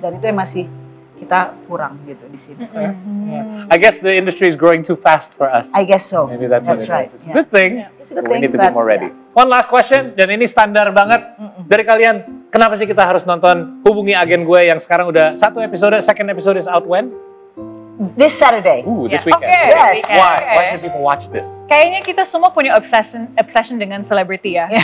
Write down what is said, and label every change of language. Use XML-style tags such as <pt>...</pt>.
<id>Dan itu yang masih kita kurang gitu di sini.</id> <en>I guess the industry is growing too fast for us. I guess so. Maybe that's right. It's a good thing. It's a good thing. We need to be more ready. One last question,</en> <id>dan ini standar banget dari kalian. Kenapa sih kita harus nonton? Hubungi agen gue yang sekarang udah satu episode,</id> <en>second episode is out when? This Saturday. This weekend. Okay. Yes. Why should people watch this?</en> <id>Kayaknya kita semua punya obsession dengan celebrity ya.</id>